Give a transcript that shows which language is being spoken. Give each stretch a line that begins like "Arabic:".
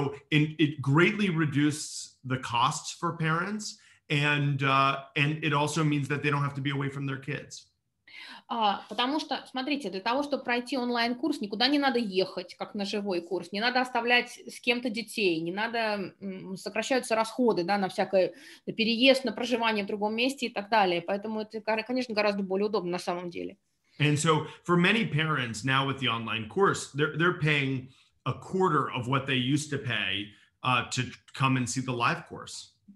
English: It greatly reduces the costs for parents, and it also means that they don't have to be away from their kids.
Russian: Потому что, смотрите, для того, чтобы пройти онлайн-курс, никуда не надо ехать, как на живой курс, не надо оставлять с кем-то детей, не надо сокращаются расходы, да, на всякое на переезд, на проживание в другом месте и так далее. Поэтому это, конечно, гораздо более удобно на самом деле.
English: And so, for many parents now with the online course, they're paying a quarter of what they used to pay to come and see the live course.